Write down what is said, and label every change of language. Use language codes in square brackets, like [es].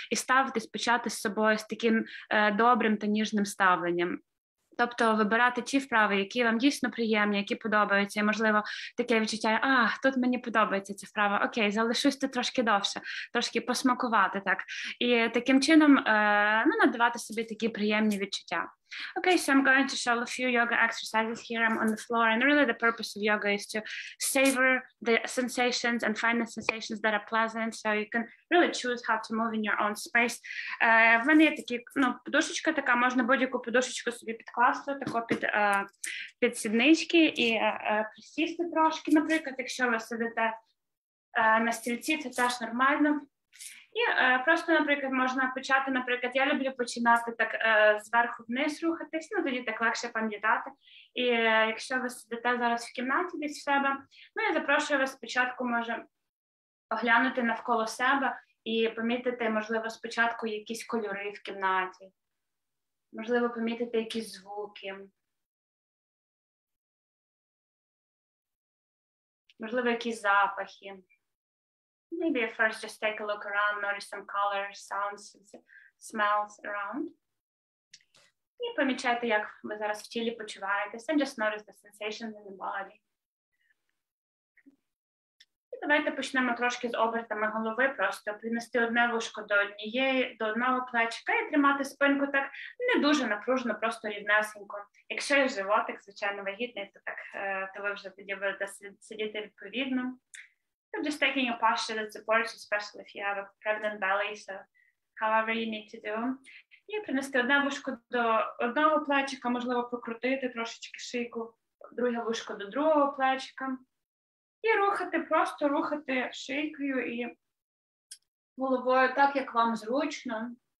[uk] І ставитись, почати з собою з таким добрим та ніжним ставленням. Тобто вибирати ті вправи, які вам дійсно приємні, які подобаються, і, можливо, таке відчуття, а, тут мені подобається ця вправа, окей, залишусь тут трошки довше, трошки посмакувати, так. І таким чином надавати собі такі приємні відчуття. [en] Okay, so I'm going to show a few yoga exercises here. I'm on the floor, and really the purpose of yoga is to savor the sensations and find the sensations that are pleasant, so you can really choose how to move in your own space. [uk] В мене є такі, подушечка така, можна будь-яку подушечку собі підкласти, тако під сіднички, і присісти трошки, наприклад, якщо ви сидите на стільці, це теж нормально. І просто, наприклад, можна почати, наприклад, я люблю починати так зверху вниз рухатись, тоді так легше пам'ятати. І якщо ви сидите зараз в кімнаті десь в себе, я запрошую вас спочатку, може, оглянути навколо себе і помітити, можливо, спочатку якісь кольори в кімнаті, можливо, помітити якісь звуки. Можливо, якісь запахи. [en] Maybe at first just take a look around, notice some colors, sounds, smells around. [uk] І помічайте, як ви зараз в тілі почуваєтесь, [en] and just notice the sensations in the body. [uk] І давайте почнемо трошки з обертами голови, просто принести одне вушко до однієї, до одного плечика і тримати спинку так не дуже напружено, просто рівнесенько. Якщо є животик, звичайно, вагітний, то так, то ви вже тоді будете сидіти відповідно. [en] I'm just taking a posture that supports, especially if you have a pregnant belly, so however you need to do. [uk] І принести одне вушко до одного плечика, можливо, покрутити трошечки шийку, друге вушко до другого плечика. І рухати, просто рухати шийкою і головою так, як вам зручно.